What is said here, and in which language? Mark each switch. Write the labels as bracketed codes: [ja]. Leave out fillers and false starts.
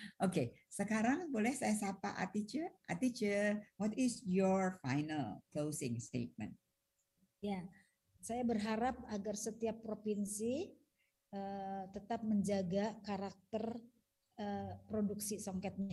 [id] Okay, sekarang boleh saya sapa Atice? [en] Atice, what is your final closing statement? [id] Ya, saya berharap agar setiap provinsi tetap menjaga karakter produksi songketnya.